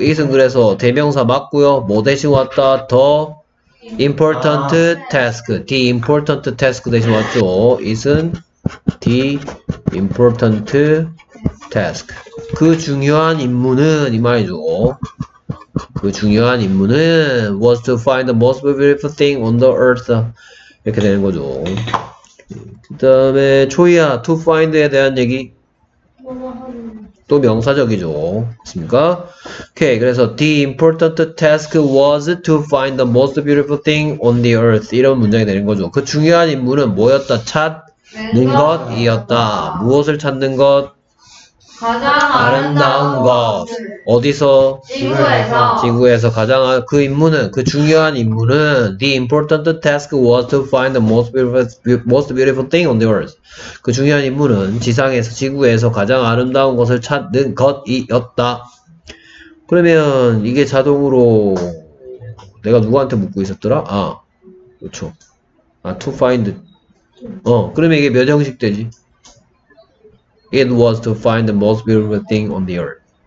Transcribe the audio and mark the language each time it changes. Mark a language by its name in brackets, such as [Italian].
[Korean] 이승 그래서 대명사 맞고요. 뭐 대신 왔다? [English] The important task. The important task [Korean] 대신 왔죠. 이승 [English] the important task. [Korean] 그 중요한 임무는 이 말이죠. 그 중요한 임무는 [English] was to find the most beautiful thing on the earth. [Korean] 이렇게 되는 거죠. 그 다음에 초이야 [English] to find [Korean] 에 대한 얘기. 또 명사적이죠. 그렇습니까? 오케이. 그래서 [English] the important task was to find the most beautiful thing on the earth. [Korean] 이런 문장이 되는 거죠. 그 중요한 임무는 뭐였다? 찾는 것이었다. 무엇을 찾는 것? 가장 아름다운 것. 어디서? 지구에서. 지구에서 가장 그 임무는 그 중요한 임무는 [English] the important task was to find the most beautiful thing on the earth. [Korean] 그 중요한 임무는 지상에서 지구에서 가장 아름다운 것을 찾는 것이었다. 그러면 이게 자동으로 내가 누구한테 묻고 있었더라? 아, 그렇죠. 아, [English] to find. [Korean] 어, 그러면 이게 몇 형식 되지? [English] It was to find the most beautiful thing on the earth.